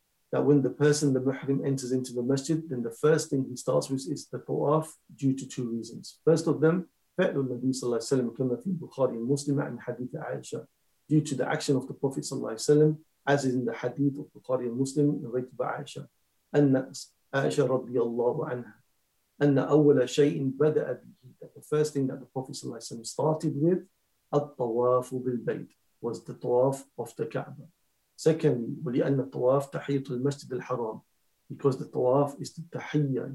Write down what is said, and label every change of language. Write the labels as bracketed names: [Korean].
[English] That when the person, the muhrim, enters into the masjid, then the first thing he starts with is the tawaf due to two reasons. First of them, [Arabic] فَعْلُ النَّبِي صَلَّى اللَّهِ عَلَيْهِ وَسَلَّمَ كَمَا فِي بُخَارِي مُسْلِمَ عَنْ حَدِيثِ عَائِشَةَ. [English] Due to the action of the Prophet [Arabic] صَلَّى اللَّهِ عَلَيْهِ وَسَلَّمَ [English] as in the hadith of Bukhari and Muslim narrated by Aisha, Aisha radiallahu anha, [Arabic] anna awwala shay'in bada'a bihi, [English] that the first thing that the Prophet started with, [Arabic] at-tawafu bil-bayt, [English] was the tawaf of the Kaaba. Secondly, [Arabic] وَلِأَنَّ الطَّوَافِ تَحِيَّةُ الْمَسْجِدِ الْحَرَامِ, [English] because the tawaf is the tahiyya.